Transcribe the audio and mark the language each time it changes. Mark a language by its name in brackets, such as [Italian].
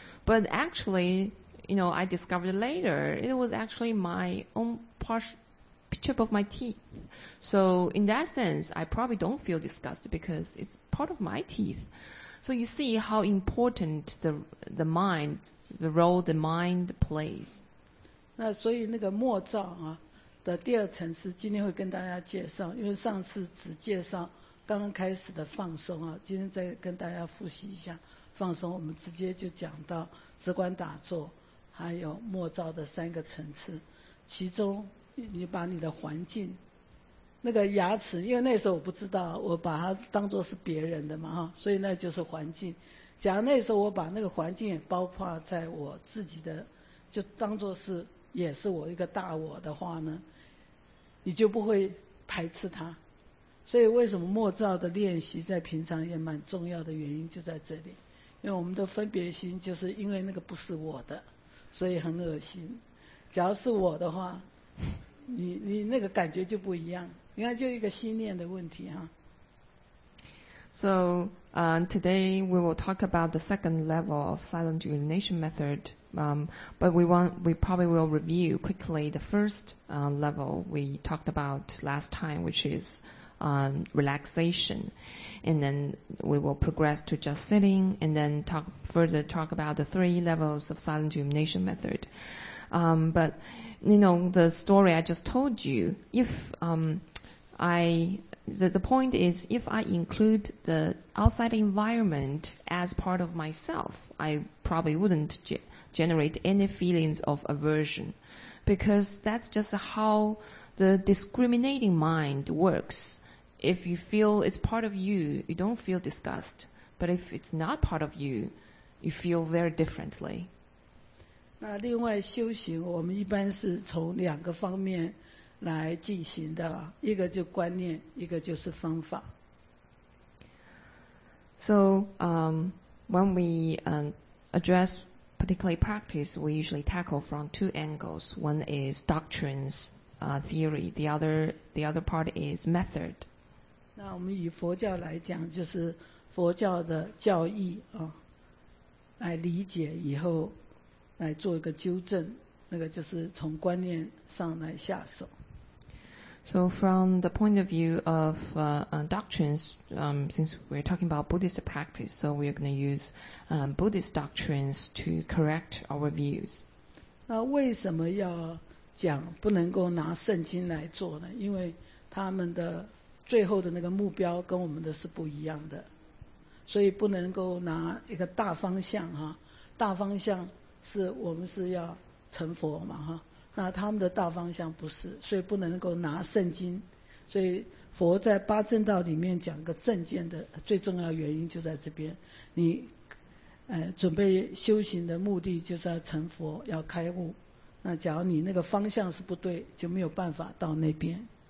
[English] But actually, you know, I discovered later, it was actually my own chip of my teeth. So in that sense, I probably don't feel disgust because it's part of my teeth. So you see how important the mind, the role the mind plays. [Chinese] 那所以那个末照啊的第二层是今天会跟大家介绍，因为上次只介绍刚刚开始的放松啊，今天再跟大家复习一下放松，我们直接就讲到直观打坐还有末照的三个层次，其中你把你的环境那个牙齿，因为那时候我不知道，我把它当作是别人的嘛哈，所以那就是环境，假如那时候我把那个环境也包括在我自己的，就当作是也是我一个大我的话呢，你就不会排斥它。所以为什么默照的练习在平常也蛮重要的原因就在这里，因为我们的分别心就是因为那个不是我的，所以很恶心。假如是我的话，你那个感觉就不一样，你看就一个心念的问题哈。 [English] So today we will talk about the second level of silent illumination method. But we probably will review quickly the first level we talked about last time, which is relaxation. And then we will progress to just sitting and then talk about the three levels of silent illumination method. But, you know, the story I just told you, the point is, if I include the outside environment as part of myself, I probably wouldn't generate any feelings of aversion, because that's just how the discriminating mind works. If you feel it's part of you, you don't feel disgust. But if it's not part of you, you feel very differently. [Chinese] 那另外修行，我们一般是从两个方面来进行的，一个就观念，一个就是方法。 [English] So, when we address particularly practice, we usually tackle from two angles. One is doctrines, theory. The other part is method. [Chinese] 那我们以佛教来讲，就是佛教的教义啊，来理解以后。来做一个纠正，那个就是从观念上来下手。 [English] So from the point of view of doctrines, since we're talking about Buddhist practice, so we're going to use Buddhist doctrines to correct our views. [Chinese] 那为什么要讲不能够拿圣经来做呢？因为他们的最后的那个目标跟我们的是不一样的，所以不能够拿一个大方向哈，大方向。是我们是要成佛嘛哈，那他们的大方向不是，所以不能够拿圣经，所以佛在八正道里面讲个正见的最重要原因就在这边，你准备修行的目的就是要成佛，要开悟，那假如你那个方向是不对，就没有办法到那边。